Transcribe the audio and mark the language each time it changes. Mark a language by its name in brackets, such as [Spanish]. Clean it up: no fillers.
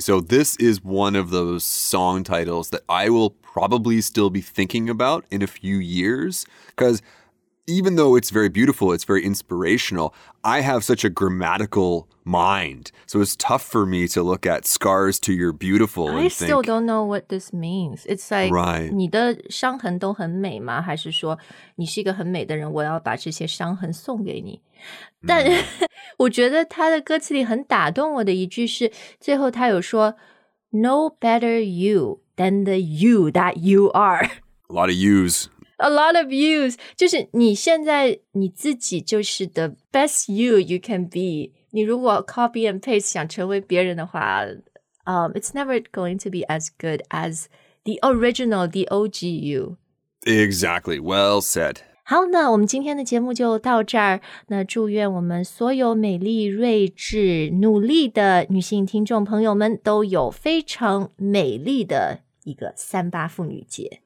[English] So this is one of those song titles that I will probably still be thinking about in a few years, because even though it's very beautiful, it's very inspirational. I have such a grammatical mind. So it's tough for me to look at scars to your beautiful and think, I still don't know what this means. It's like, right. [Chinese] 你的伤痕都很美吗？还是说你是一个很美的人，我要把这些伤痕送给你？但我觉得他的歌词里很打动我的一句是，最后他有说 [English] No better you than the you that you are. A lot of yous. A lot of yous. [Chinese] 就是你现在你自己就是 [English] the best you you can be. [Chinese] 你如果 [English] copy and paste [Chinese] 想成为别人的话 [English] it's never going to be as good as the original, the OG you. Exactly. Well said. [Chinese] 好，那我们今天的节目就到这儿。那祝愿我们所有美丽、睿智、努力的女性听众朋友们都有非常美丽的一个三八妇女节。